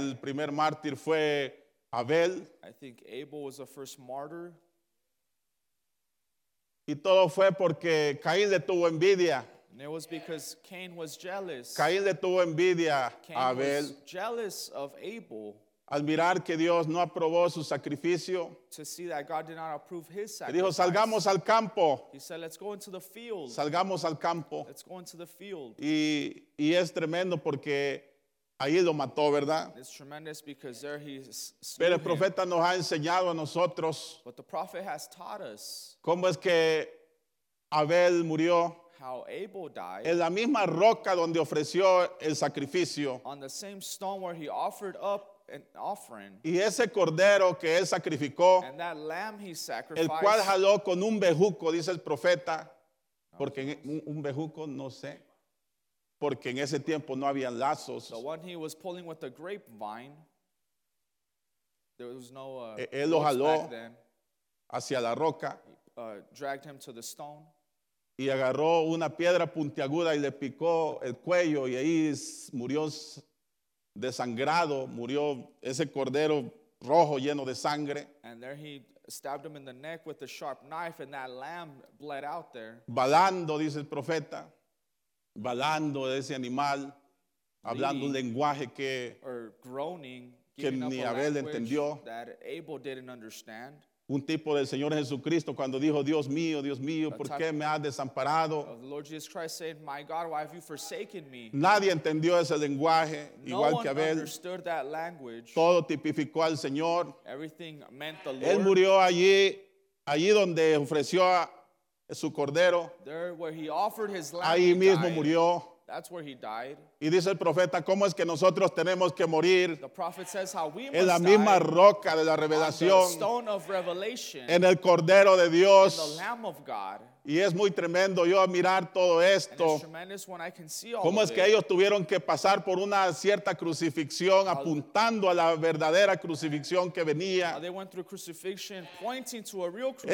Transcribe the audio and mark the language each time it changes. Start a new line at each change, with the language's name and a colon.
Spanish: El primer mártir fue Abel.
English: I think Abel was the first martyr.
Spanish: Y todo fue porque Caín le tuvo envidia.
English: And it was because Cain was jealous.
Spanish: Caín le tuvo envidia
English: Cain
Spanish: a Abel.
English: Was jealous of Abel.
Spanish: Al mirar que Dios no aprobó su sacrificio.
English: To see that God did not approve his sacrifice.
Spanish: Y dijo, salgamos al campo.
English: He said, let's go into the field.
Spanish: Salgamos al campo.
English: Let's go into the field.
Spanish: Y es tremendo porque ahí lo mató, ¿verdad?
English: It's tremendous because there he slew.
Spanish: Pero el profeta nos ha enseñado a nosotros.
English: But the prophet has taught us.
Spanish: ¿Cómo es que Abel murió?
English: How Abel died.
Spanish: En la misma roca donde ofreció el sacrificio.
English: On the same stone where he offered up an offering.
Spanish: Y ese cordero que él sacrificó.
English: And that lamb he sacrificed.
Spanish: El cual jaló con un bejuco, dice el profeta. Porque un bejuco, no sé. Porque en ese tiempo no habían lazos.
English: The one he was pulling with the grapevine. There was no
Spanish: él lo jaló hacia la roca.
English: Dragged him to the stone.
Spanish: Y agarró una piedra puntiaguda y le picó el cuello. Y ahí murió desangrado. Murió ese cordero rojo lleno de sangre.
English: And there he stabbed him in the neck with a sharp knife. And that lamb bled out there.
Spanish: Balando, dice el profeta. Balando ese animal, hablando un lenguaje que,
English: or groaning,
Spanish: que ni Abel entendió.
English: That Abel didn't understand.
Spanish: Un tipo del Señor Jesucristo cuando dijo, Dios mío, ¿por qué me has desamparado?
English: The Lord Jesus Christ said, my God, why have you forsaken me?
Spanish: Nadie entendió ese lenguaje, no igual que Abel.
English: Understood that language.
Spanish: Todo tipificó al Señor.
English: Everything meant the Lord.
Spanish: Él murió allí donde ofreció a su cordero.
English: There where he offered his lamb,
Spanish: ahí mismo murió.
English: That's where he died.
Spanish: Y dice el profeta, ¿cómo es que nosotros tenemos que morir?
English: The prophet says how we
Spanish: en la misma roca de la revelación.
English: On the stone of revelation,
Spanish: en el cordero de Dios.
English: In the lamb of God.
Spanish: Y es muy tremendo yo mirar todo esto.
English: It's tremendous when I can see all
Spanish: ¿cómo
English: of
Spanish: es
English: it?
Spanish: Que ellos tuvieron que pasar por una cierta crucifixión apuntando a la verdadera crucifixión que venía?
English: They went through crucifixion, pointing to a real crucifixion.